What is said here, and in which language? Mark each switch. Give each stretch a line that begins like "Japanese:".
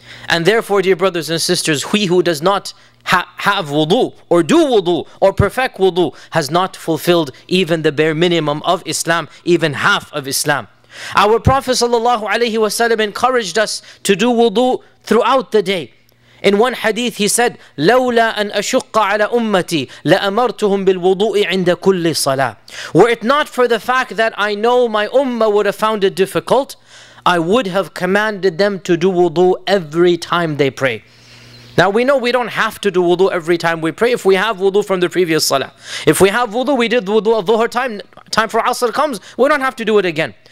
English: And therefore, dear brothers and sisters, he who does not have wudu, or do wudu, or perfect wudu, has not fulfilled even the bare minimum of Islam, even half of Islam. Our Prophet sallallahu alaihi wasallam encouraged us to do wudu throughout the day. In one hadith he said,
Arabic: لَوْلَا أَنْ أَشُقَّ عَلَى أُمَّتِي لَأَمَرْتُهُمْ بِالْوُضُوءِ عِنْدَ كُلِّ صَلَاةٍ.
English: Were it not for the fact that I know my ummah would have found it difficult, I would have commanded them to do wudu every time they pray. Now we know we don't have to do wudu every time we pray if we have wudu from the previous salah. If we have wudu, we did wudu at dhuhr time, time for asr comes, we don't have to do it again.